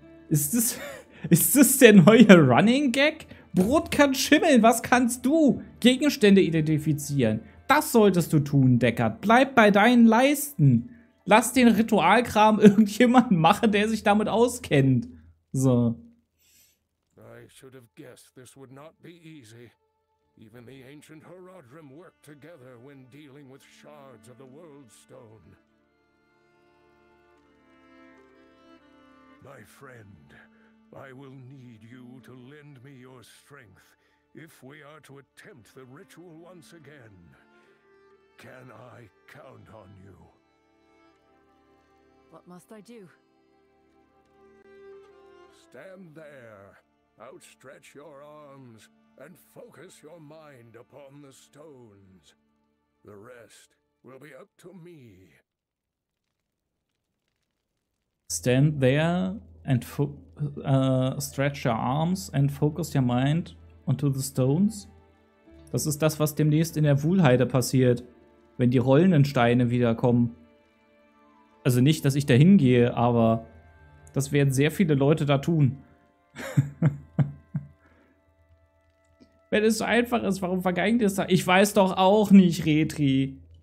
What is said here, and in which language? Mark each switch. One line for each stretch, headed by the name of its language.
German: Ist das der neue Running Gag? Brot kann schimmeln, was kannst du? Gegenstände identifizieren. Das solltest du tun, Deckard. Bleib bei deinen Leisten. Lass den Ritualkram irgendjemanden machen, der sich damit auskennt. So.
English: I should have guessed this would not be easy. Even the ancient Horadrim worked together when dealing with shards of the World Stone. My friend, I will need you to lend me your strength if we are to attempt the ritual once again. Can I count on you? What must I do? Stand there, outstretch your arms, and focus your mind upon the stones. The rest will be up to me. Stand there and stretch your arms and focus your mind onto the stones.
German: Das ist das, was demnächst in der Wuhlheide passiert, wenn die rollenden Steine wiederkommen. Also nicht, dass ich da hingehe, aber das werden sehr viele Leute da tun. Wenn es so einfach ist, warum vergeigt es da? Ich weiß doch auch nicht, Retri.